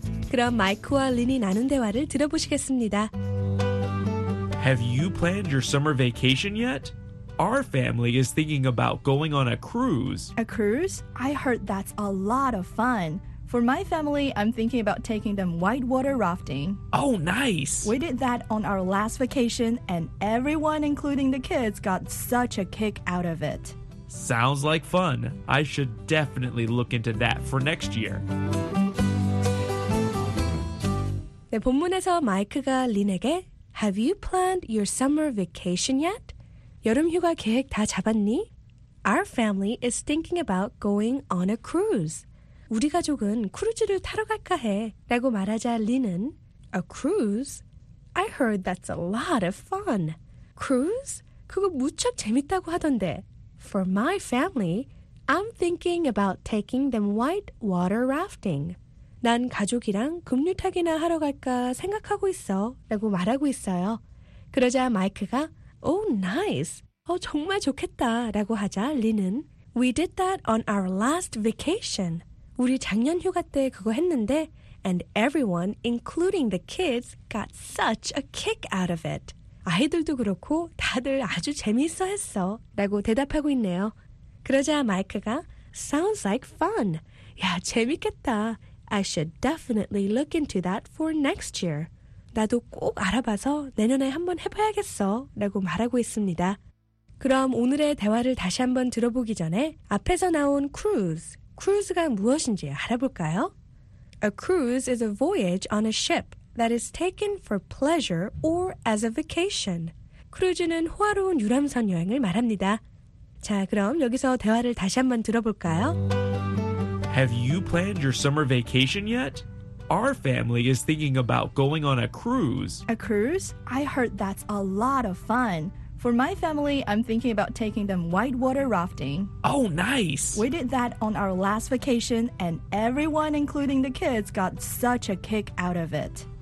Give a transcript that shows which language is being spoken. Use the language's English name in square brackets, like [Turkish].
[Korean] 그럼 마이크와 린이 나눈 대화를 들어보시겠습니다. [English] Have you planned your summer vacation yet? Our family is thinking about going on a cruise. A cruise? I heard that's a lot of fun. For my family, I'm thinking about taking them whitewater rafting. Oh, nice! We did that on our last vacation, and everyone, including the kids, got such a kick out of it. Sounds like fun. I should definitely look into that for next year. [Korean] 네, 본문에서 마이크가 린에게 [English] Have you planned your summer vacation yet? [Korean] 여름 휴가 계획 다 잡았니? [English] Our family is thinking about going on a cruise. [Korean] 우리 가족은 크루즈를 타러 갈까 해. 라고 말하자 린은 [English] A cruise? I heard that's a lot of fun. Cruise? [Korean] 그거 무척 재밌다고 하던데. [English] For my family, I'm thinking about taking them white water rafting. [Korean] 난 가족이랑 급류타기나 하러 갈까 생각하고 있어 라고 말하고 있어요. 그러자 마이크가 [English] Oh, nice! [Korean] 어, 정말 좋겠다 라고 하자 린은 [English] We did that on our last vacation. [Korean] 우리 작년 휴가 때 그거 했는데 [English] And everyone, including the kids, got such a kick out of it. [Korean] 아이들도 그렇고 다들 아주 재미있어 했어 라고 대답하고 있네요. 그러자 마이크가 [English] Sounds like fun. [Korean] 야, 재밌겠다. [English] I should definitely look into that for next year. [Korean] 나도 꼭 알아봐서 내년에 한번 해봐야겠어 라고 말하고 있습니다. 그럼 오늘의 대화를 다시 한번 들어보기 전에 앞에서 나온 cruise, cruise가 무엇인지 알아볼까요? [English] A cruise is a voyage on a ship. That is taken for pleasure or as a vacation. [Korean] 크루즈는 호화로운 유람선 여행을 말합니다. 자, 그럼 여기서 대화를 다시 한번 들어볼까요? [English] Have you planned your summer vacation yet? Our family is thinking about going on a cruise. A cruise? I heard that's a lot of fun. For my family, I'm thinking about taking them whitewater rafting. Oh, nice! We did that on our last vacation, and everyone, including the kids, got such a kick out of it.